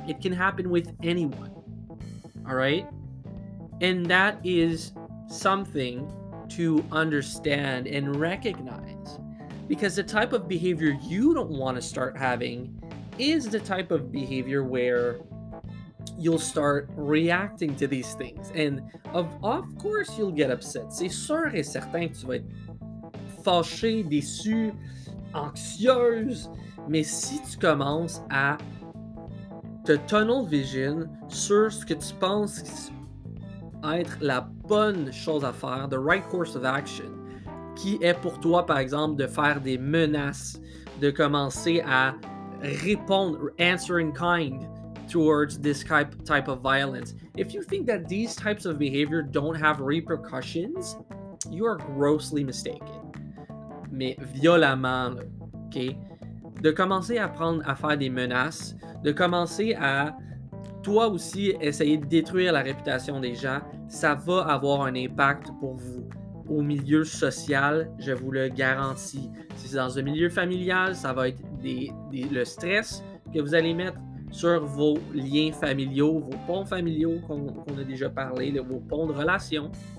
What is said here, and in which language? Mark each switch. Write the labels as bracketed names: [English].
[English] It can happen with anyone. All right? And that is something to understand and recognize. Because the type of behavior you don't want to start having is the type of behavior where you'll start reacting to these things. And of course you'll get upset. [French] C'est sûr et certain que tu vas être fâchée, déçue, anxieuse. Mais si tu commences à te tunnel vision sur ce que tu penses être la bonne chose à faire, [English] the right course of action, [French] qui est pour toi, par exemple, de faire des menaces, de commencer à répondre, [English] answer in kind, towards this type of violence. If you think that these types of behavior don't have repercussions, you are grossly mistaken. [French] Mais violemment, OK? De commencer à prendre, à faire des menaces, de commencer à, toi aussi, essayer de détruire la réputation des gens, ça va avoir un impact pour vous. Au milieu social, je vous le garantis. Si c'est dans un milieu familial, ça va être le stress que vous allez mettre sur vos liens familiaux, vos ponts familiaux qu'on a déjà parlé, vos ponts de relations.